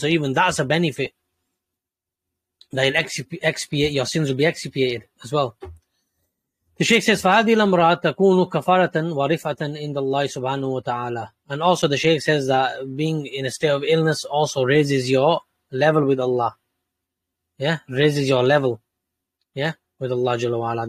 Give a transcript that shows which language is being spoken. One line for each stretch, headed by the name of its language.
English: So even that's a benefit, that he'll expiate, your sins will be expiated as well. The Shaykh says,
Arabic: فَهَذِي الْأَمْرَاتَ تَكُونُ كَفَارَةً وَرِفَةً إِنْدَ اللَّهِ سُبْحَانُهُ وَتَعَالَى.
English: And also the Shaykh says that being in a state of illness also raises your level with Allah. Yeah, raises your level. Yeah, with Allah
Arabic: جل وعلا.